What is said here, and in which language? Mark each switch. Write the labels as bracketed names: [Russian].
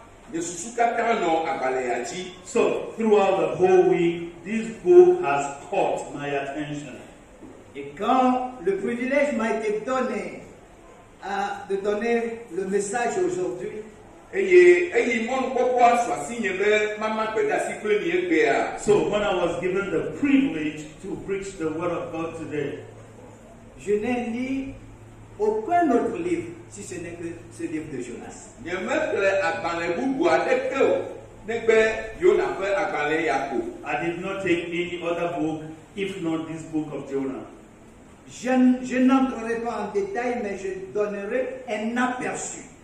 [English] So, throughout the whole week, this book has caught my attention. [French] Et quand le privilège m'a été donné de donner le message aujourd'hui, [English] so when I was given the privilege to preach the word of God today, [French] je n'ai lu aucun autre livre si ce n'est que ce livre de Jonas. [English] I did not take any other book if not this book of Jonah. [French] Je n'entrerai pas en détail, mais je donnerai un aperçu.